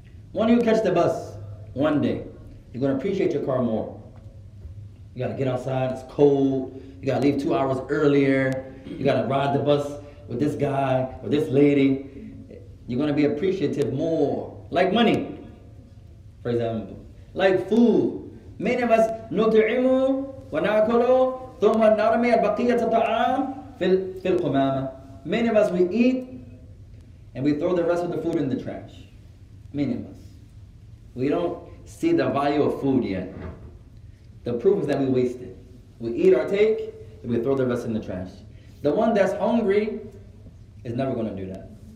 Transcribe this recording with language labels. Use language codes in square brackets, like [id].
[en] When you catch the bus, one day, you're going to appreciate your car more. You gotta get outside, it's cold. You gotta leave 2 hours earlier. You gotta ride the bus with this guy or this lady. You're gonna be appreciative more. Like money, for example. Like food. Many of us [ar] نُطِعِمُ وَنَأْكُلُ ثُمَّ نَرْمِي الْبَقِيَّةَ الطَّعَامِ فِي الْقُمَامَةِ. [en] Many of us, we eat and we throw the rest of the food in the trash. Many of us. We don't see the value of food yet. The proof is that we waste it. We eat our take and we throw the rest in the trash. The one that's hungry is never going to do that.